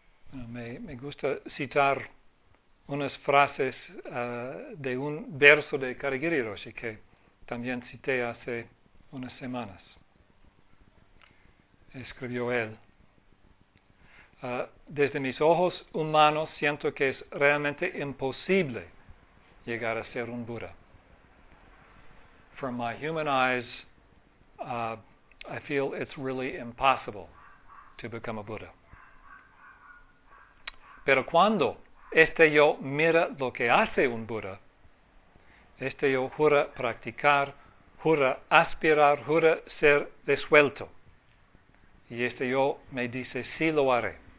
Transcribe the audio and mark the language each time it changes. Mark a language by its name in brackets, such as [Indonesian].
[Spanish] Me gusta citar unas frases de un verso de Katagiri Roshi que también cité hace unas semanas. Escribió él. Desde mis ojos humanos siento que es realmente imposible llegar a ser un Buddha. [English] From my human eyes, I feel it's really impossible to become a Buddha. [Spanish] Pero cuando este yo mira lo que hace un Buddha, este yo jura practicar, jura aspirar, jura ser resuelto. Y este yo me dice, sí lo haré.